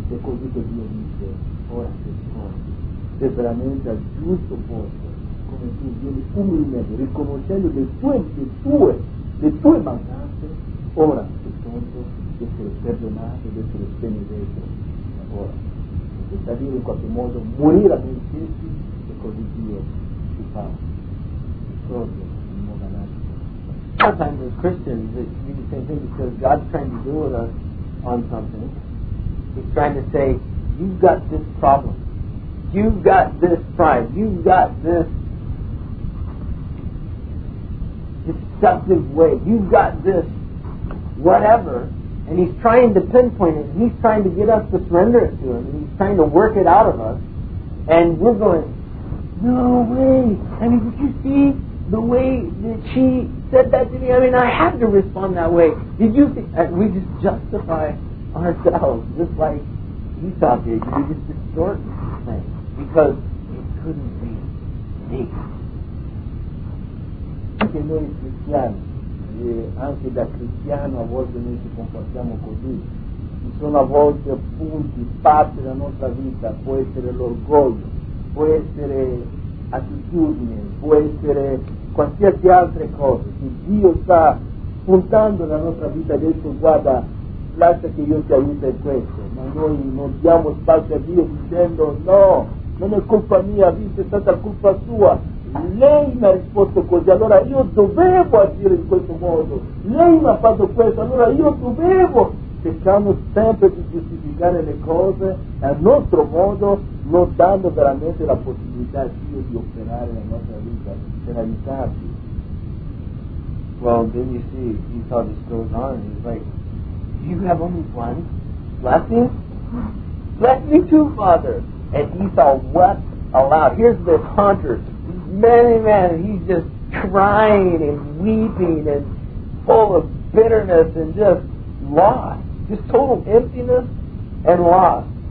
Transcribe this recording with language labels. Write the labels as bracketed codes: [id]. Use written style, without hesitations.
[it] E così che Dio dice, ora che sono, se veramente al giusto posto, come tu vieni umilmente, riconoscendo le tue mancanze, ora che sono, di essere perdonato, di essere benedetto, ora. E da dire in qualche modo morire a noi stessi, e così Dio ci fa proprio in modo analogico. [en] Sometimes as Christians it can be the same thing, because God's trying to deal with us on something. He's trying to say, you've got this problem, you've got this pride, you've got this deceptive way, you've got this whatever. And he's trying to pinpoint it. He's trying to get us to surrender it to him. And he's trying to work it out of us. And we're going, no way. I mean, did you see the way that she said that to me? I mean, I had to respond that way. Did you see? And we just justify ourselves, just like Esau did. We just distort things because it couldn't be me. [it] E anche da cristiano a volte noi ci comportiamo così. Ci sono a volte punti, parte della nostra vita, può essere l'orgoglio, può essere attitudine, può essere qualsiasi altra cosa. Se Dio sta puntando la nostra vita adesso, guarda, lascia che io ti aiuti in questo, ma noi non diamo spazio a Dio dicendo no, non è colpa mia, è stata colpa sua. Lei mi ha risposto così, allora io dovevo agire in questo modo, lei mi ha fatto questo, allora io dovevo. Cerchiamo sempre di giustificare le cose al nostro modo, non dando veramente la possibilità a Dio di operare nella nostra vita per aiutarci. [en] Well, then you see, he saw this goes on, and he's like, do you have only one blessing? Bless me too, Father. And Esau wept aloud. Here's this hunter, man, he's just crying and weeping and full of bitterness and just lost, just total emptiness and loss.